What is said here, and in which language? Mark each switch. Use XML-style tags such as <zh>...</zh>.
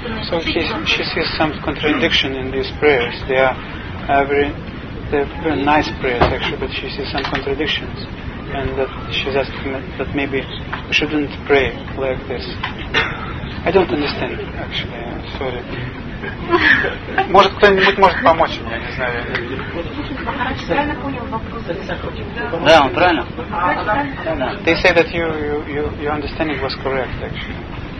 <en>So she sees some contradiction in these prayers. They are very nice prayers actually, but she sees some contradictions, and that she's asking that maybe we shouldn't pray like this. I don't understand actually. Sorry.</en> <ru>Может кто-нибудь может помочь мне? Не знаю. Правильно понял вопрос. Да, он правильно.</ru> <en>They say that your understanding was correct actually.</en>